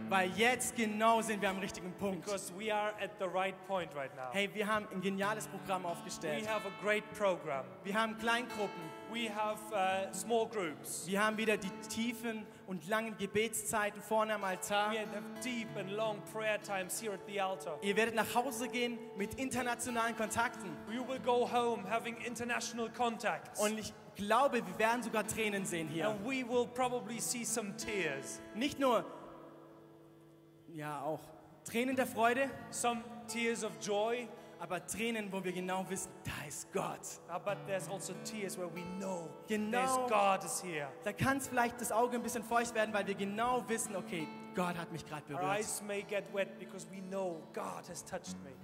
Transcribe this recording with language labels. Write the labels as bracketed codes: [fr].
[de] Weil jetzt genau sind wir am richtigen Punkt. [en] Because we are at the right point right now. [de] Hey, wir haben ein geniales Programm aufgestellt. [en] We have a great program. [de] Wir haben Kleingruppen. [en] We have small groups. [de] Wir haben wieder die tiefen und langen Gebetszeiten vorne am Altar. [en] We have deep and long prayer times here at the altar. [de] Ihr werdet nach Hause gehen mit internationalen Kontakten. [en] We will go home having international contacts. [de] Und ich glaube, wir werden sogar Tränen sehen hier. [en] And we will probably see some tears. [de] Nicht nur, ja auch, Tränen der Freude. [en] Some tears of joy. [de] Aber Tränen, wo wir genau wissen, da ist Gott. [en] But there's also tears where we know [de] genau, [en] there's God is here. [de] Da kann es vielleicht das Auge ein bisschen feucht werden, weil wir genau wissen, okay, Gott hat mich gerade berührt. [en] Our eyes may get wet because we know God has touched me.